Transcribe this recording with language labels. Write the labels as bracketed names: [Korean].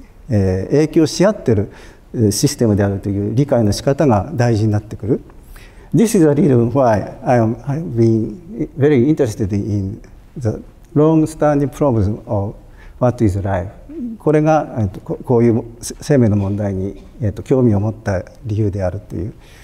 [Japanese] 影響し合ってるシステムであるという理解の仕方が大事になってくる。 [English] This is a reason why I've been very interested in the long-standing problem of what is life。 [Japanese] これがこういう生命の問題に興味を持った理由であるという。